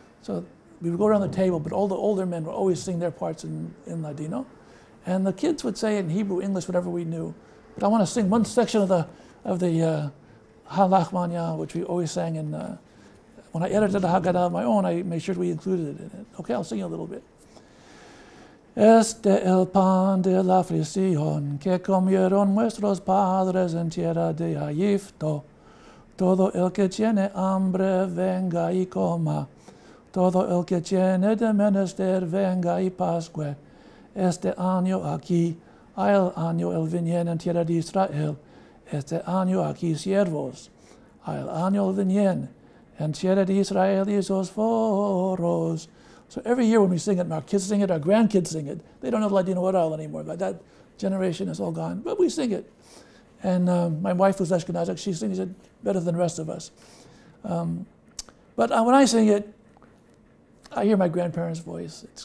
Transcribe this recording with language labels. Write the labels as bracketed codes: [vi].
[en] So we would go around the table, but all the older men would always sing their parts in Ladino. And the kids would say in Hebrew, English, whatever we knew. But I want to sing one section of the Halachmanya, which we always sang in. When I edited the Haggadah of my own, I made sure we included it in it. Okay, I'll sing a little bit. [lad] Este el pan de la aflicción que comieron nuestros padres en tierra de Egipto. Todo el que tiene hambre venga y coma. Todo el que tiene de menester venga y pascue. Este año aquí, al año el viniente en tierra de Israel. Este año aquí siervos, al año el viniente en tierra de Israel y sus foros. [en] So every year when we sing it, our kids sing it, our grandkids sing it. They don't know Ladino at all anymore, but that generation is all gone. But we sing it. And my wife, who's Ashkenazic, she sings it better than the rest of us. But when I sing it, I hear my grandparents' voice.